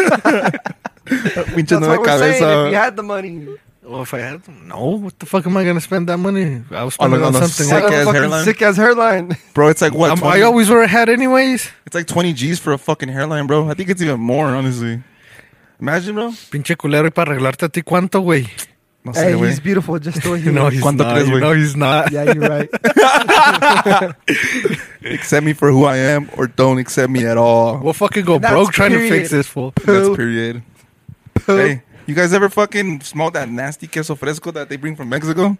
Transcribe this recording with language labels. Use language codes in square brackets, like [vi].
[en] That's what we're saying, if you had the money. Well, if I had, no. What the fuck am I going to spend that money? I was spending on something. Sick-ass hairline. Bro, it's like, what, I always wear a hat anyways. It's like 20 G's for a fucking hairline, bro. I think it's even more, honestly. Imagine, bro. [es] Pinche culero, y para arreglarte a ti, ¿cuánto, güey? No sé, güey. [en] Hey, he's beautiful, just the way he no, looks. [es] ¿Cuánto crees, güey? [en] No, he's not. Yeah, you're right. Accept me for who I am, or don't accept me at all. We'll fucking go broke trying to fix this, fool. That's period. Hey. You guys ever fucking smell that nasty queso fresco that they bring from Mexico?